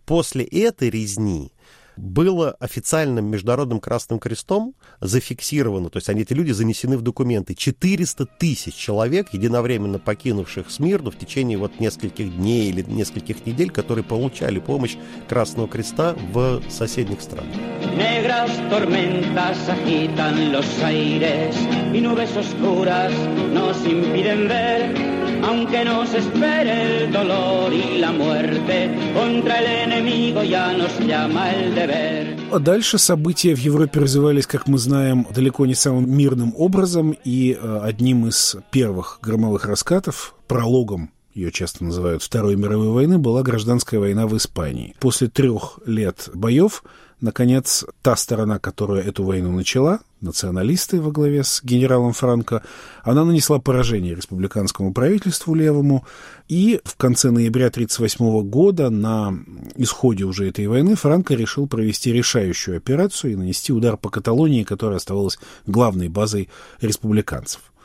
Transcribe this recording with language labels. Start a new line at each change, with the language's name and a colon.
Russian: После этой резни было официальным Международным Красным Крестом зафиксировано, то есть они, эти люди, занесены в документы, 400 тысяч человек, единовременно покинувших Смирну в течение вот нескольких дней или нескольких недель, которые получали помощь Красного Креста в соседних странах.
Spanish: Negras tormentas agitan los aires y nubes oscuras nos impiden ver, aunque nos espere el dolor y la muerte, contra el enemigo ya nos llama el deber.
Russian: А дальше события в Европе развивались, как мы знаем, далеко не самым мирным образом, и одним из первых громовых раскатов, прологом, ее часто называют, Второй мировой войны, была гражданская война в Испании. После 3 лет боев, наконец, та сторона, которая эту войну начала, националисты во главе с генералом Франко, она нанесла поражение республиканскому правительству левому, и в конце ноября 1938 года, на исходе уже этой войны, Франко решил провести решающую операцию и нанести удар по Каталонии, которая оставалась главной базой республиканцев.